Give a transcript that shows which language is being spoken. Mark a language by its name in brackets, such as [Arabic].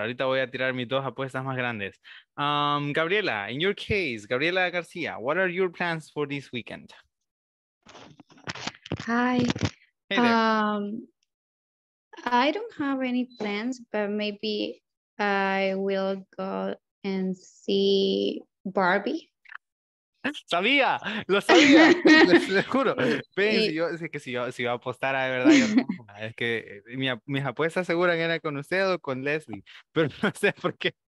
[Spanish] Ahorita voy a tirar mis dos apuestas más grandes. [English] Gabriela, in your case, Gabriela García, what are your plans for this weekend? Hi. Hey there. I don't have any plans, but maybe I will go and see Barbie. [Spanish] Sabía, lo sabía, les juro. Ven, y, si yo apostara de verdad, yo no, es que mis apuestas seguras eran con usted o con Leslie, pero no sé por qué.